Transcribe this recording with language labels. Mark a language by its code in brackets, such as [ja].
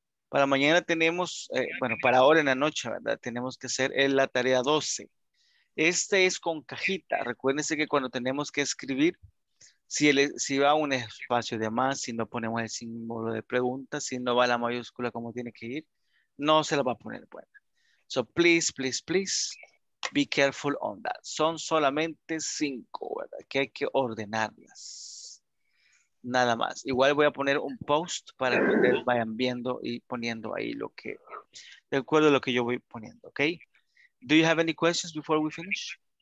[es] Para mañana tenemos, bueno, para ahora en la noche, ¿verdad? Tenemos que hacer la tarea 12. Este es con cajita. Recuérdense que cuando tenemos que escribir, si va un espacio de más, si no ponemos el símbolo de pregunta, si no va la mayúscula como tiene que ir, no se la va a poner buena. [en] So please, please, please, be careful on that. [es] Son solamente 5, ¿verdad? Que hay que ordenarlas. Nada más. Igual voy a poner un post para que ustedes vayan viendo y poniendo ahí lo que, de acuerdo a lo que yo voy poniendo, ¿ok? [en] Do you have any questions before we finish?